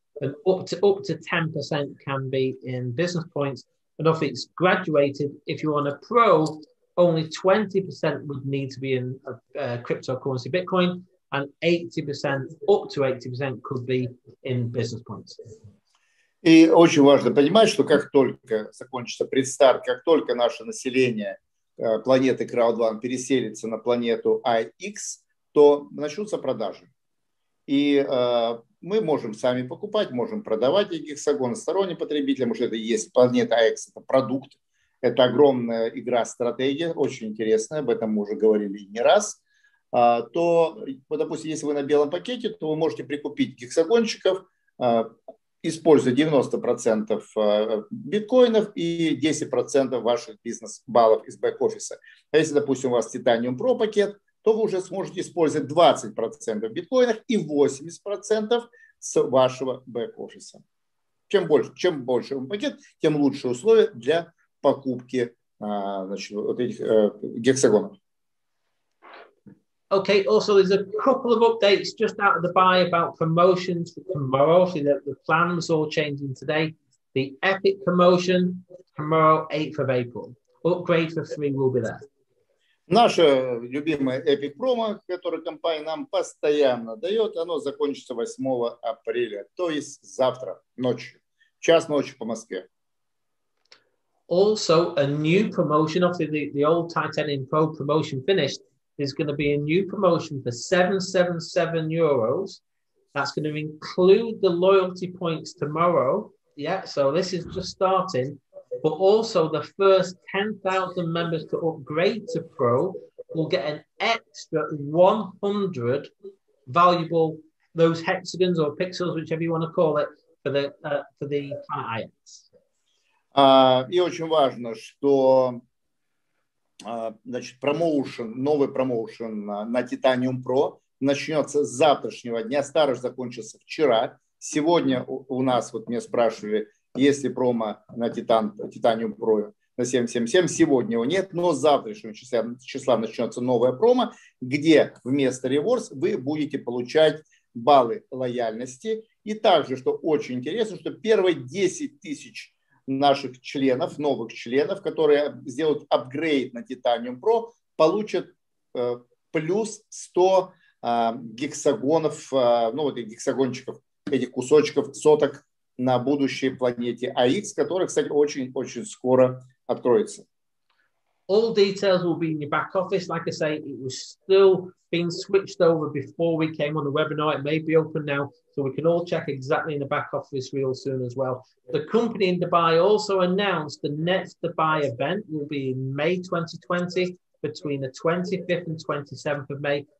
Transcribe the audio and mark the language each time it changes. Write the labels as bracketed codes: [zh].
[en] And up to 10% can be in business points. And if it's graduated, if you're on a pro, only 20% would need to be in a cryptocurrency, Bitcoin, and 80%, up to 80% could be in business points. [ru] И очень важно понимать, что как только закончится предстарт, как только наше население планеты Крауд-1 переселится на планету IX, то начнутся продажи. И мы можем сами покупать, можем продавать их гексагоны сторонним потребителям, уже это есть планета IX, это продукт, это огромная игра-стратегия, очень интересная, об этом мы уже говорили не раз. То, вот, допустим, если вы на белом пакете, то вы можете прикупить гексагончиков, используя 90% биткоинов и 10% ваших бизнес-баллов из бэк-офиса. А если, допустим, у вас Titanium Pro пакет, то вы уже сможете использовать 20% биткоинов и 80% с вашего бэк-офиса. Чем больше пакет, тем лучше условия для покупки, значит, вот этих гексагонов. [en] Okay, also there's a couple of updates just out of the buy about promotions for tomorrow. Obviously, the plan's all changing today. The Epic promotion tomorrow, 8th of April. Upgrade for free will be there. [ru] Наша любимая Epic Promo, которую компания нам постоянно дает, оно закончится 8 апреля, то есть завтра ночью, час ночи по Москве. [en] Also, a new promotion, obviously the old Titanium Pro promotion finished. There's going to be a new promotion for 777 euros. That's going to include the loyalty points tomorrow. Yeah, so this is just starting. But also, the first 10,000 members to upgrade to Pro will get an extra 100 valuable, those hexagons or pixels, whichever you want to call it, for the planet IX. [ru] И очень важно, что значит, новый промоушен на Titanium Pro начнется с завтрашнего дня. Старый закончился вчера. Сегодня у нас, вот мне спрашивали, есть ли промо на Titanium Pro на 777. Сегодня его нет, но с завтрашнего числа начнется новая промо, где вместо rewards вы будете получать баллы лояльности. И также, что очень интересно, что первые 10 тысяч наших членов, новых членов, которые сделают апгрейд на Titanium Pro, получат плюс 100 гексагонов, ну вот этих гексагончиков, этих кусочков соток на будущей планете AX, которая, кстати, очень-очень скоро откроется. [en] All details will be in your back office. Like I say, it was still being switched over before we came on the webinar. It may be open now, so we can all check exactly in the back office real soon as well. The company in Dubai also announced the next Dubai event will be in May 2020, between the 25th and 27th of May.